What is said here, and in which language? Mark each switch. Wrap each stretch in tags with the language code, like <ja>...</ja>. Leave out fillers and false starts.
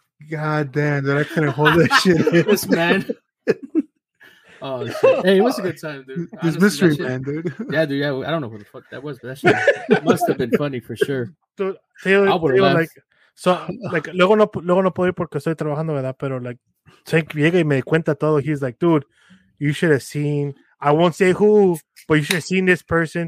<en>God damn, dude, I couldn't hold that shit in. This man. Oh, shit. Hey, it was a good time, dude. This honestly, mystery shit, man, dude. Yeah, dude, yeah, I don't know who the fuck that was, but that shit must have been funny for sure.</en> <es>Dude, I would have like, so, like, luego no puedo ir porque estoy trabajando, ¿verdad? Pero, like, Tank llega y me cuenta todo.</es> <en>He's like, dude, you should have seen, I won't say who, but you should have seen this person.</en>